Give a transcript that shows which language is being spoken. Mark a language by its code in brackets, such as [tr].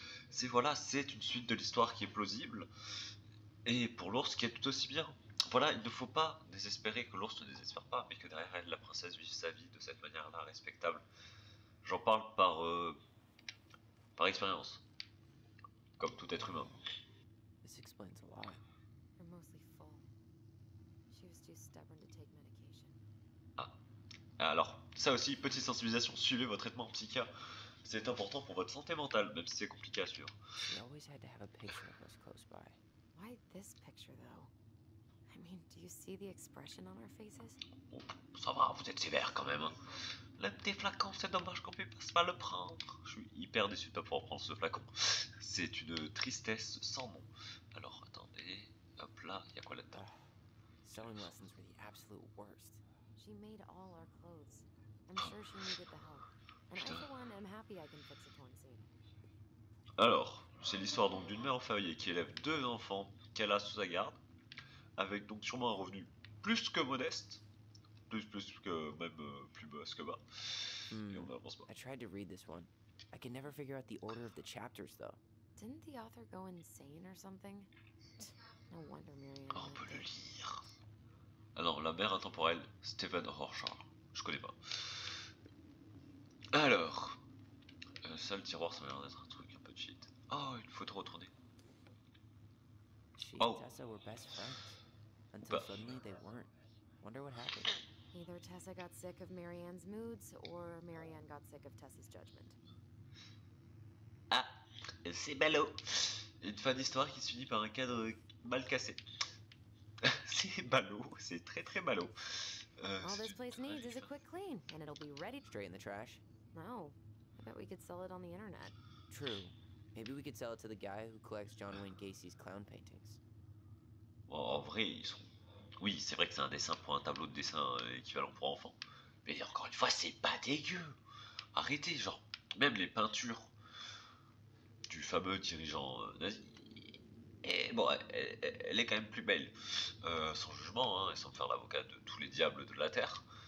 [fr] C'est voilà, c'est une suite de l'histoire qui est plausible et pour l'ours qui est tout aussi bien. Voilà, il ne faut pas désespérer que l'ours ne désespère pas, mais que derrière elle, la princesse vive sa vie de cette manière-là, respectable. J'en parle par expérience, comme tout être humain. [en] This explains a lot. They're mostly full. She was too stubborn to take medication. [fr] Ah, alors, ça aussi, petite sensibilisation, suivez votre traitement en psychia. C'est important pour votre santé mentale, même si c'est compliqué à suivre. [en] She always had to have a picture of us close by. Why this picture, though? I mean, do you see the expression on our faces? [fr] Oh, ça va, vous êtes sévère quand même. L'aime des flacons, c'est dommage qu'on ne puisse pas le prendre. Je suis hyper déçu de pas pouvoir prendre ce flacon. C'est une tristesse sans nom. Alors, attendez. Hop là, il y a quoi là-dedans? [en] Sewing lessons were the absolute worst. She made all our clothes. I'm sure she needed the help. And for one, I'm happy I can fix a torn seam. [fr] Alors, c'est l'histoire donc d'une mère en famille qui élève deux enfants qu'elle a sous sa garde. Avec donc sûrement un revenu plus que modeste, plus que même plus bas que bas. Et on n'avance pas. [en] I tried to read this one. I can never figure out the order of the chapters though. Didn't the author go insane or something? No wonder Miriam. [fr] On peut le lire. Ah non, la mère intemporelle, Stephen Horshaw. Je connais pas. Alors, ça le tiroir, ça m'a l'air d'être un truc un peu de shit. Oh, une photo retournée. [en] She and Tessa were best friends. Until suddenly they weren't. Wonder what happened. Either Tessa got sick of Marianne's moods, or Marianne got sick of Tessa's judgment. [fr] Ah, c'est Bello. Une fin d'histoire qui se finit par un cadre mal cassé. C'est Bello, c'est très très Bello. [en] All this place needs is a quick clean, and it'll be ready to drain the trash. No, I bet we could sell it on the internet. True. Maybe we could sell it to the guy who collects John Wayne Gacy's clown paintings. [fr] Bon, en vrai, ils sont... Oui, c'est vrai que c'est un dessin pour un tableau de dessin équivalent pour enfant. Mais encore une fois, c'est pas dégueu. Arrêtez, genre, même les peintures du fameux dirigeant nazi. Et bon, elle est quand même plus belle. Sans jugement, hein, et sans me faire l'avocat de tous les diables de la Terre.